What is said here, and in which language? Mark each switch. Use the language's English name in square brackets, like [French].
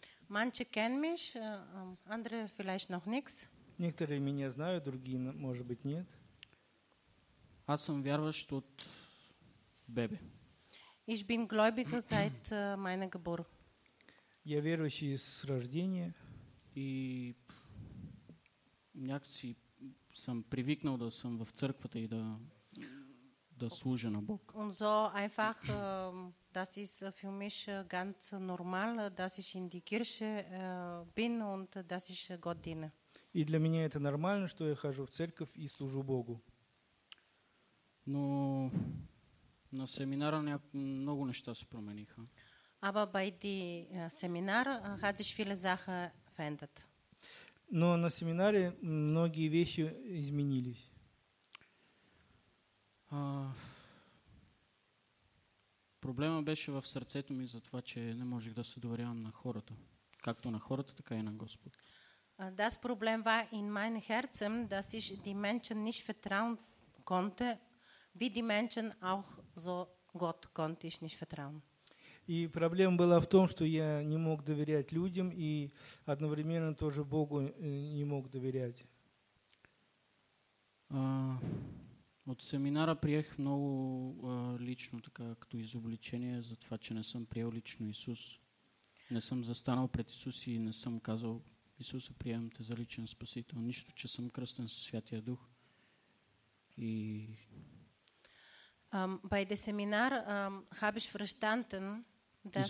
[German] Manche kennen mich, andere vielleicht noch nichts. [Russian] Некоторые меня знают, другие, может быть, нет. [Bulgarian] Аз съм вярващ от бебе. [German] Ich bin gläubig seit meiner Geburt. [Russian] Я верующий с рождения. [Bulgarian] И някакси съм привикнал да съм в църквата и да служа на Бог. [German] Und so einfach, das ist für mich ganz normal, dass ich in die Kirche bin und dass ich Gott diene. [Russian] И для меня это нормально, что я хожу в церковь и служу Богу. [Bulgarian] Но на семинара много неща се промениха. [German] Aber bei die Seminar hat sich viele Sachen verändert. [Russian] Но на семинаре многие вещи изменились. [Bulgarian] Проблема беше в сърцето ми за това, че не можех да се доверявам на хората. Както на хората, така и на Господ. [German] Das Problem war in mein Herzen, dass ich die Menschen nicht vertrauen konnte, wie die Menschen auch so Gott konnte ich nicht vertrauen. [Russian] И проблема была в том, что я не мог доверять людям и одновременно тоже Богу не мог доверять. [Bulgarian] От семинара приех много лично, така като изобличение за това, че не съм приел лично Исус. Не съм застанал пред Исус и не съм казал: Исуса, приемам те за личен спасител. Нищо, че съм кръстен със Святия Дух. И [German] bei dem Seminar habe ich verstanden, dass